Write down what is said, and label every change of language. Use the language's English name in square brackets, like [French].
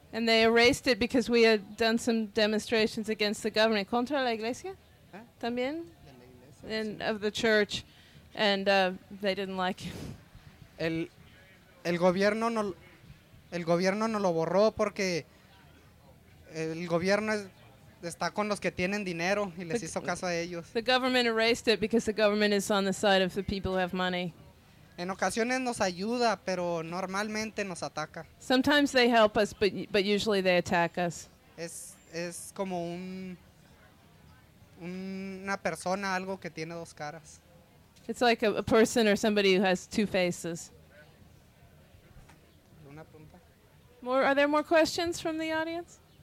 [English] And they erased it because we had done some demonstrations against the government. [Spanish] ¿Contra la iglesia? ¿También? [English] Of the church. And they didn't like it. [Spanish] El gobierno no lo borró porque el gobierno está con los que tienen dinero y les hizo caso a ellos. [English] The government erased it because the government is on the side of the people who have money. [Spanish] En ocasiones nos ayuda, pero normalmente nos ataca. [English] Sometimes they help us, but usually they attack us. [Spanish] Es como una persona, algo que tiene dos caras. [English] It's like a person or somebody who has two faces. Are there more questions from the audience?